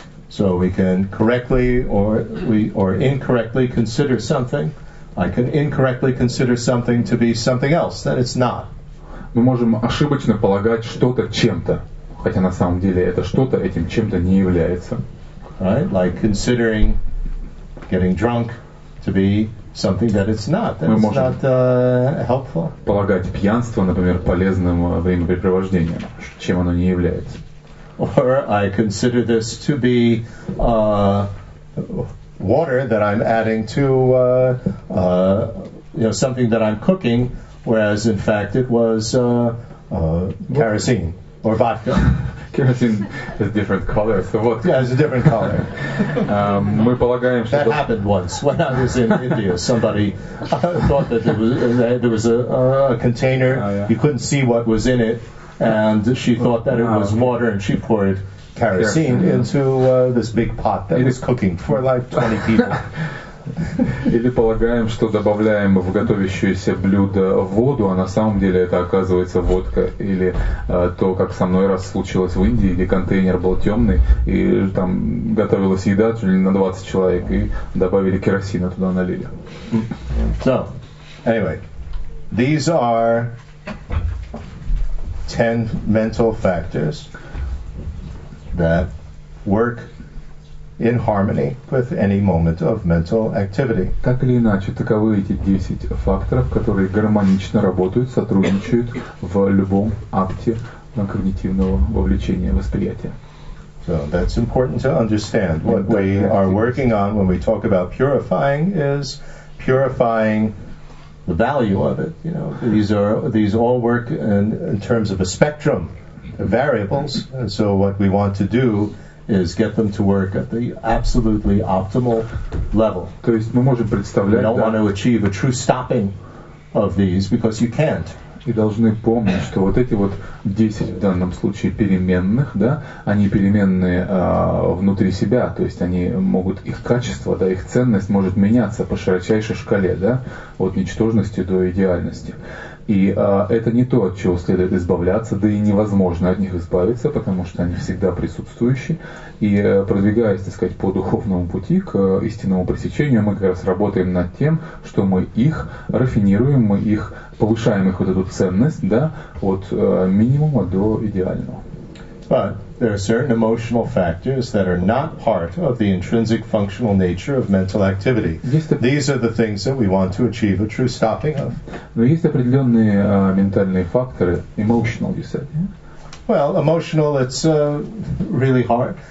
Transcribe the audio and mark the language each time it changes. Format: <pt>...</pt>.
<en>So we can correctly or incorrectly consider something. I can incorrectly consider something to be something else that it's not.</en> <ru>Мы можем ошибочно полагать что-то чем-то, хотя на самом деле это что-то этим чем-то не является.</ru> <en>Right? Like considering getting drunk to be something that it's not. That</en> <ru>мы можем</ru> <en>it's not, helpful.</en> <ru>Полагать пьянство, например, полезным времяпрепровождением, чем оно не является.</ru> <en>Or I consider this to be water that I'm adding to you know, something that I'm cooking, whereas in fact it was kerosene or vodka. Kerosene has different colors. So what? Yeah, it's a different color.</en> <ru>мы полагаем, что</ru> <en>that happened once when I was in India. Somebody thought that there was a container. Oh, yeah. You couldn't see what was in it. And she thought that it was water, and she poured kerosene into this big pot that was cooking for like 20 people.</en> <ru>Или полагаем, что добавляем в готовящееся блюдо воду, а на самом деле это оказывается водка. Или то, как со мной раз случилось в Индии, где контейнер был темный, и там готовилась еда чуть ли на 20 человек, и добавили керосина туда, налили.</ru> <en>So, anyway, these are 10 mental factors that work in harmony with any moment of mental activity.</en> <ru>Так или иначе, таковы эти 10 факторов, которые гармонично работают, сотрудничают в любом акте когнитивного вовлечения, восприятия.</ru> <en>So that's important to understand. What we are working on when we talk about purifying is purifying the value of it. You know, these all work in terms of a spectrum of variables. And so what we want to do is get them to work at the absolutely optimal level.</en> <ru>То есть мы можем представлять,</ru> <en>we don't want to achieve a true stopping of these because you can't.</en> <ru>И должны помнить, что вот эти вот 10 в данном случае переменных, да, они переменные внутри себя, то есть они могут, их качество, да, их ценность может меняться по широчайшей шкале, да, от ничтожности до идеальности. И это не то, от чего следует избавляться, да и невозможно от них избавиться, потому что они всегда присутствующие. И продвигаясь, так сказать, по духовному пути к истинному пресечению, мы как раз работаем над тем, что мы их рафинируем, мы их повышаем, их вот эту ценность, да, от минимума до идеального.</ru> <en>But there are certain emotional factors that are not part of the intrinsic functional nature of mental activity. These are the things that we want to achieve a true stopping of.</en> <ru>Но есть определенные ментальные факторы,</ru> <en>emotional, you said, yeah? Well, emotional, it's really hard.</en>